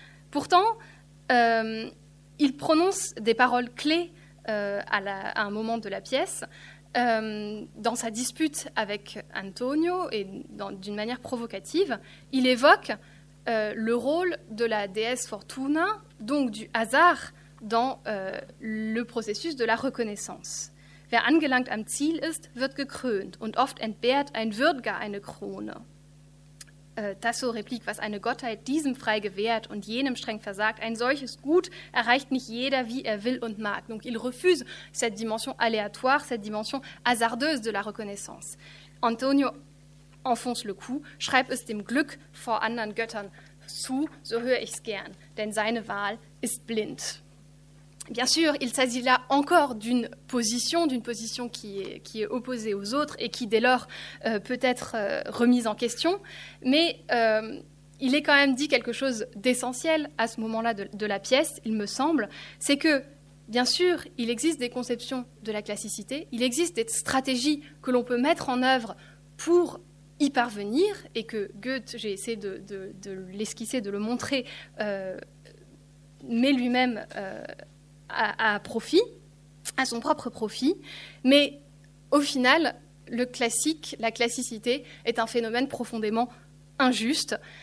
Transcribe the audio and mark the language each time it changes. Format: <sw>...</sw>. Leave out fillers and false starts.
<fr>Pourtant, il prononce des paroles clés à un moment de la pièce, dans sa dispute avec Antonio et d'une manière provocative. Il évoque le rôle de la déesse Fortuna, donc du hasard, dans le processus de la reconnaissance.</fr> <de>Wer angelangt am Ziel ist, wird gekrönt und oft entbehrt ein Würdiger eine Krone.</de> <fr>Tasso réplique,</fr> <de>was eine Gottheit diesem frei gewährt und jenem streng versagt, ein solches Gut erreicht nicht jeder, wie will und mag.</de> <fr>Donc il refuse cette dimension aléatoire, cette dimension hasardeuse de la reconnaissance. Antonio enfonce le coup,</fr> <de>schreibt es dem Glück vor anderen Göttern zu, so höre ich's gern, denn seine Wahl ist blind.</de> <fr>Bien sûr, il s'agit là encore d'une position qui est opposée aux autres et qui, dès lors, peut être remise en question. Mais il est quand même dit quelque chose d'essentiel à ce moment-là de la pièce, il me semble. C'est que, bien sûr, il existe des conceptions de la classicité, il existe des stratégies que l'on peut mettre en œuvre pour y parvenir, et que Goethe, j'ai essayé de l'esquisser, de le montrer, met lui-même à son propre profit, mais au final, le classique, la classicité est un phénomène profondément injuste.</fr>